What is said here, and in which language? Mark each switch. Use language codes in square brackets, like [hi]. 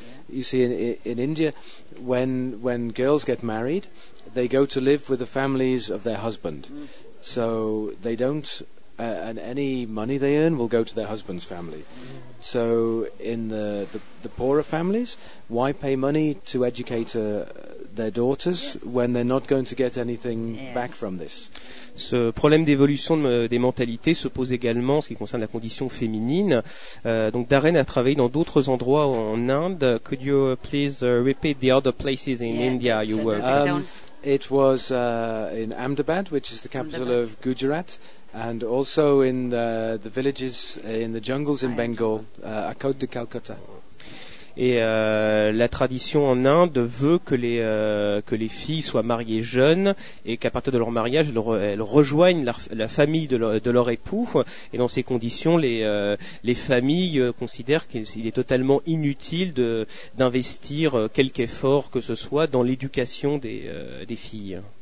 [en] You see, in India, when girls get married, they go to live with the families of their husband. Mm. So they don't, and any money they earn will go to their husband's family. Mm. So in the poorer families, why pay money to educate their daughters when they're not going to get anything back from this? [fr] Ce problème d'évolution des mentalités se pose également en ce qui concerne la condition féminine. Donc Darren a travaillé dans d'autres endroits en Inde. [en] Could you please repeat the other places in India you worked? It was in Ahmedabad, which is the capital of Gujarat, and also in the villages in the jungles in Bengal, [fr] à côté de Calcutta. Et la tradition en Inde veut que les filles soient mariées jeunes et qu'à partir de leur mariage, elles rejoignent la famille de leur époux. Et dans ces conditions, les familles considèrent qu'il est totalement inutile d'investir quelque effort que ce soit dans l'éducation des filles.